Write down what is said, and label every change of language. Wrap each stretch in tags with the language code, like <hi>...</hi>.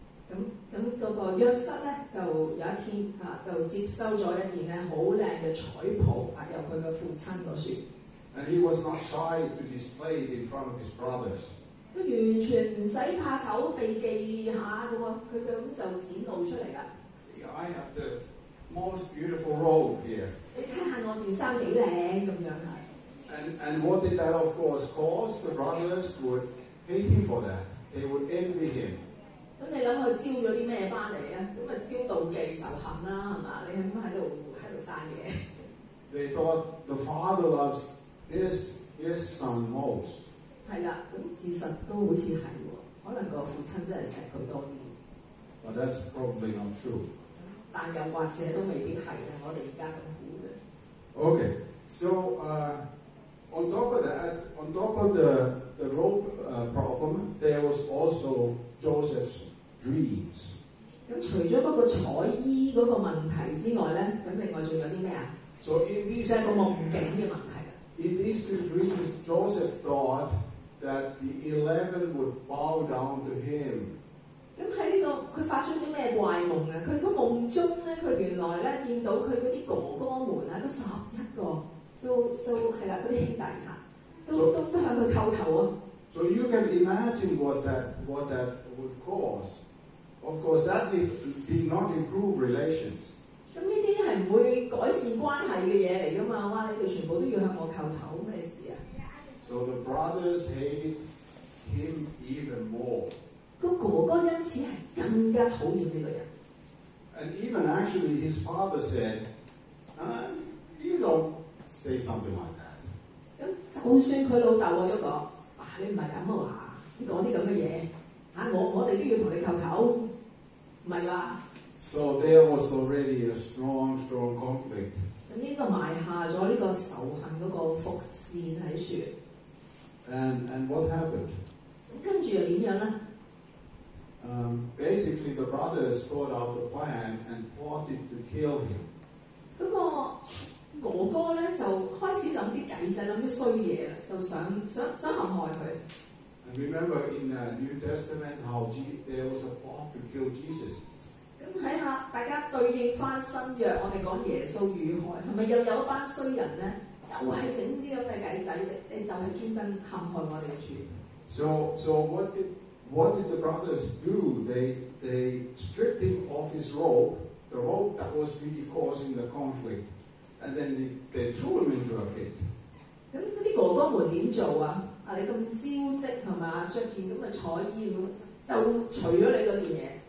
<yue>咁嗰個約瑟咧，就有一天嚇，就接收咗一件咧好靚嘅彩袍啊，由佢嘅父親嗰處。</yue> <en>And he was not shy to display it in front of his brothers.</en> <yue>佢完全唔使怕醜被忌下嘅喎，佢咁就展露出嚟啦。</yue> <en>See, I have the most beautiful robe here. And what did that of course cause? The brothers would hate him for that. They would envy him.</en> <yue>咁你諗佢招咗啲咩翻嚟啊？咁啊招妒忌仇恨啦，係嘛？你喺度曬嘢。</yue> <en>They thought the father loves his son most.</en> <yue>係啦，咁事實都好似係喎，可能個父親真係錫佢多啲。</yue> <en>But that's probably not true.</en> <yue>但又或者都未必係啊！我哋而家咁。</yue> <en>Okay, so on top of the rope problem, there was also Joseph's dreams.</en> <yue>咁除咗嗰個彩衣嗰個問題之外咧，咁另外仲有啲咩啊？</yue> <en>So in these</en> <yue>即係個夢境嘅問題。</yue> <en>In these two dreams, Joseph thought that the 11 would bow down to him.</en> <yue>咁喺呢個佢發出啲咩怪夢啊？佢個夢中咧，佢原來咧見到佢嗰啲哥哥們啊，嗰十一個都係啦，嗰啲兄弟嚇，都向佢叩頭啊。</yue> <en>So you can imagine what that would cause. Of course, that did not improve relations.</en> <yue>咁呢啲係唔會改善關係嘅嘢嚟噶嘛？哇！你哋全部都要向我叩頭，咩事啊</yue> <en>？So the brothers hated him even more.</en> <yue>個哥哥因此係更加討厭呢個人。</yue> <en>And even actually, his father said, "You don't say something like that."</en> <yue>咁就算佢老豆都講，啊，你唔係咁啊嘛，你講啲咁嘅嘢，啊，我哋都要同你叩頭，唔係啦。</yue> <en>So there was already a strong conflict.</en> <yue>咁呢個埋下咗呢個仇恨嗰個伏線喺處。</yue> <en>And what happened?</en> <yue>咁跟住又點樣咧？</yue> <en>Basically, the brothers thought out the plan and plotted to kill him.</en> <yue>嗰個哥哥咧就開始諗啲計仔，諗啲衰嘢，就想陷害佢。</yue> <en>And remember in the New Testament how there was a plot to kill Jesus.</en> <yue>咁睇下大家對應翻新約，我哋講耶穌遇害，係咪又有一班衰人咧？又係整啲咁嘅計仔，你就係專登陷害我哋嘅主。</yue> <en>So what did the brothers do? They stripped him of his robe, the robe that was really causing the conflict, and then they threw him into a pit.</en> <yue>咁嗰啲哥哥們點做啊？啊，你咁招積係嘛？著件咁嘅彩衣咁，就除咗你嗰件嘢。</yue>